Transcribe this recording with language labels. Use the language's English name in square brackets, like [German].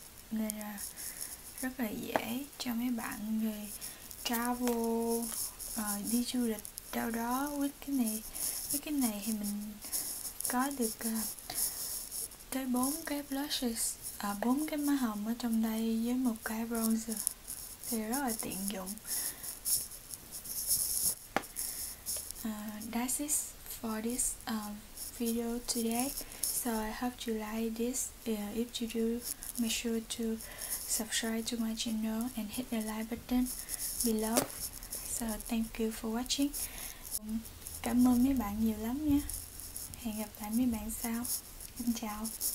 [Vietnamese] Nên là rất là dễ cho mấy bạn người travel, đi du lịch đâu đó with cái này. Với cái này thì mình có được tới 4 cái blushes, 4 cái má hồng ở trong đây với một cái bronzer, thì rất là tiện dụng. [English] That's it for this video today. So I hope you like this. If you do, make sure to subscribe to my channel and hit the like button below. So thank you for watching. [Vietnamese] Cảm ơn mấy bạn nhiều lắm nha. Hẹn gặp lại mấy bạn sau. Xin chào.